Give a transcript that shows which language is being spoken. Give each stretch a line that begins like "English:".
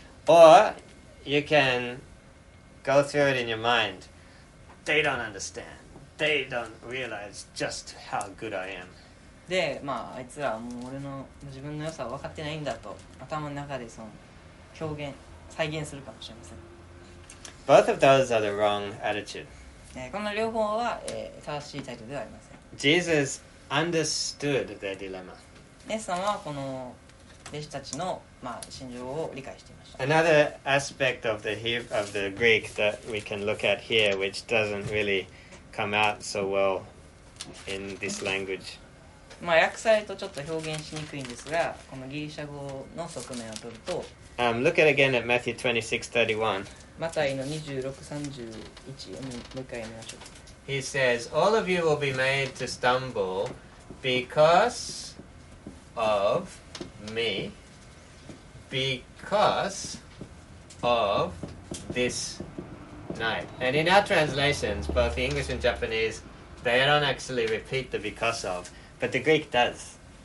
English: Or you can go through it in your mind. They don't understand. They don't realize just how good I am.
Japanese: で、まあ、あいつらはもう俺の自分の良さを分かってないんだと頭の中でその表現、再現するかもしれません。
English: Both of those are the wrong attitude.
Japanese: この両方は、正しい態度ではありません。
English: Jesus understood their dilemma.
Japanese: イエス様はこの弟子たちの、まあ、心情を理解していました。
English: Another aspect of the Greek that we can look at here, which doesn't reallycome out so well in this language.
Japanese: まあ訳されるとちょっと表現しにくいんですが、このギリシャ語の側面を取ると、
English: look at again at Matthew 26:31.
Japanese: マタイの26:31もう一回読みましょう。
English: He says, "All of you will be made to stumble because of me, because of this." Night. And in our translations, both English and Japanese, they don't actually repeat the because of, but the Greek does.